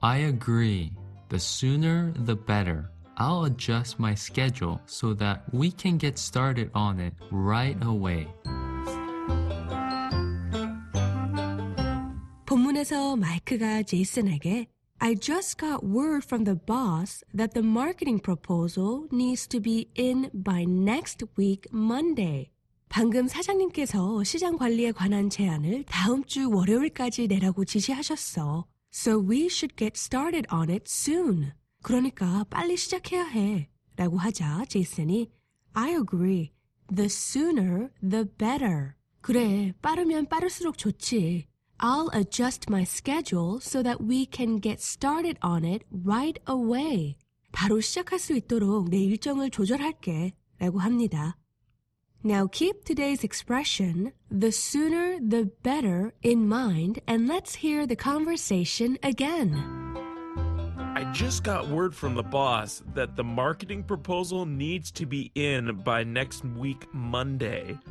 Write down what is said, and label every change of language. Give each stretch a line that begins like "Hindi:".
English: I agree. The sooner the better. I'll adjust my schedule so that we can get started on it right away.
Korean: 본문에서 마이크가 제이슨에게
English: I just got word from the boss that the marketing proposal needs to be in by next week Monday.
Korean: 방금 사장님께서 시장 관리에 관한 제안을 다음 주 월요일까지 내라고 지시하셨어.
English: So we should get started on it soon.
Korean: 그러니까 빨리 시작해야 해. 라고 하자 제이슨이
English: I agree. The sooner the better.
Korean: 그래, 빠르면 빠를수록 좋지.
English: I'll adjust my schedule so that we can get started on it right away.
Korean: 바로 시작할 수 있도록 내 일정을 조절할게 라고 합니다.
English: Now keep today's expression, the sooner the better, in mind, and let's hear the conversation again. I just got word from the boss that the marketing proposal needs to be in by next week, Monday.